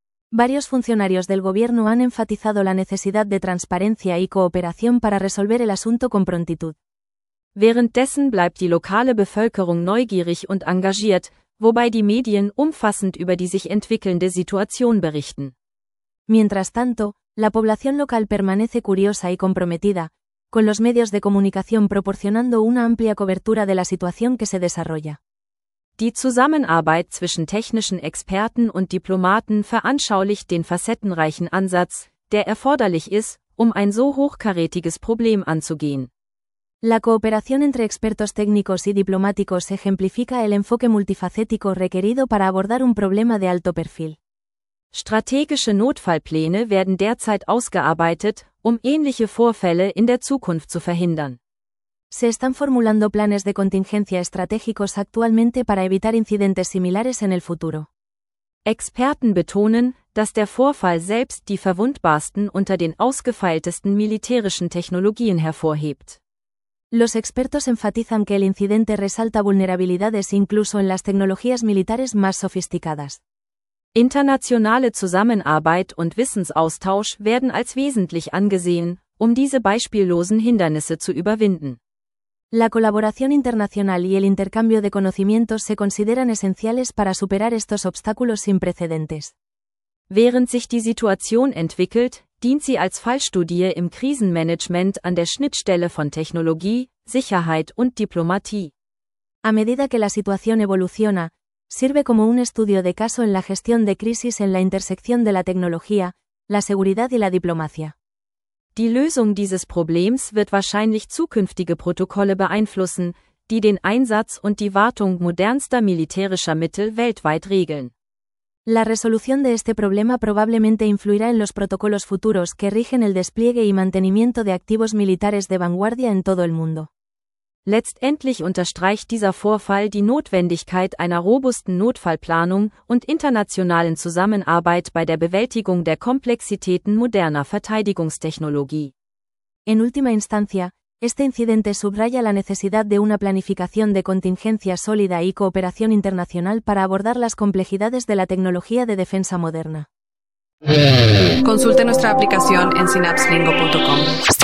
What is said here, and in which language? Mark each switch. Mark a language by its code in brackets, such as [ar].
[es] Varios funcionarios del gobierno han enfatizado la necesidad de transparencia y cooperación para resolver el asunto con prontitud. [de] Währenddessen bleibt die lokale Bevölkerung neugierig und engagiert, wobei die Medien umfassend über die sich entwickelnde Situation berichten. [es] Mientras tanto, la población local permanece curiosa y comprometida, con los medios de comunicación proporcionando una amplia cobertura de la situación que se desarrolla. [de] Die Zusammenarbeit zwischen technischen Experten und Diplomaten veranschaulicht den facettenreichen Ansatz, der erforderlich ist, um ein so hochkarätiges Problem anzugehen. [es] La cooperación entre expertos técnicos y diplomáticos ejemplifica el enfoque multifacético requerido para abordar un problema de alto perfil. [de] Strategische Notfallpläne werden derzeit ausgearbeitet, um ähnliche Vorfälle in der Zukunft zu verhindern. [es] Se están formulando planes de contingencia estratégicos actualmente para evitar incidentes similares en el futuro. [de] Experten betonen, dass der Vorfall selbst die verwundbarsten unter den ausgefeiltesten militärischen Technologien hervorhebt. [es] Los expertos enfatizan que el incidente resalta vulnerabilidades incluso en las tecnologías militares más sofisticadas. [de] Internationale Zusammenarbeit und Wissensaustausch werden als wesentlich angesehen, um diese beispiellosen Hindernisse zu überwinden. [es] La colaboración internacional y el intercambio de conocimientos se consideran esenciales para superar estos obstáculos sin precedentes. [de] Während sich die Situation entwickelt, dient sie als Fallstudie im Krisenmanagement an der Schnittstelle von Technologie, Sicherheit und Diplomatie. [es] A medida que la situación evoluciona, sirve como un estudio de caso en la gestión de crisis en la intersección de la tecnología, la seguridad y la diplomacia. [de] Die Lösung dieses Problems wird wahrscheinlich zukünftige Protokolle beeinflussen, die den Einsatz und die Wartung modernster militärischer Mittel weltweit regeln. [es] La resolución de este problema probablemente influirá en los protocolos futuros que rigen el despliegue y mantenimiento de activos militares de vanguardia en todo el mundo. [de] Letztendlich unterstreicht dieser Vorfall die Notwendigkeit einer robusten Notfallplanung und internationalen Zusammenarbeit bei der Bewältigung der Komplexitäten moderner Verteidigungstechnologie. [es] En última instancia, este incidente subraya la necesidad de una planificación de contingencia sólida y cooperación internacional para abordar las complejidades de la tecnología de defensa moderna. Consulte nuestra aplicación en synapslingo.com.